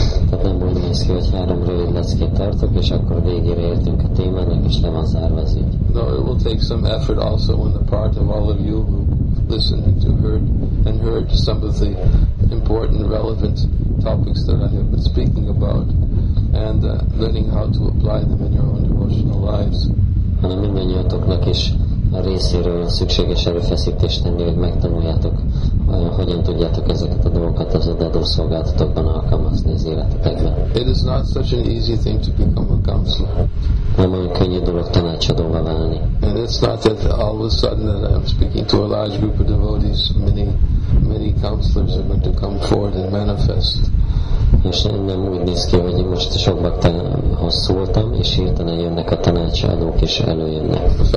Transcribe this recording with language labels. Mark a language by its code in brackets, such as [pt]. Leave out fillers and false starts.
[hu] Tehát nem úgy néz ki, hogy 3 rövid leckét tartok, és akkor végére értünk a témának, és le van zárva az így. [en] No, it will take some effort also on the part of all of you who listened to heard some of the important, relevant topics that I have been speaking about, and learning how to apply them in your own devotional lives. [hu] Hanem mindannyiatoknak is a részéről szükséges erőfeszítést tenni, hogy megtanuljátok, hogyan tudjátok ezeket a dolgokat az adó szolgáltatokban alkalmazni az életetekben. [en] It is not such an easy thing to become a counselor. [hu] Nem olyan könnyű dolog tanácsadóvá válni. [en] And it's not that all of a sudden that I'm speaking to a large group of devotees, many counselors are going to come forward and manifest. [hu] És nem úgy néz ki, hogy most sok baktához szóltam, és hirtelen jönnek a tanácsadók, és előjönnek.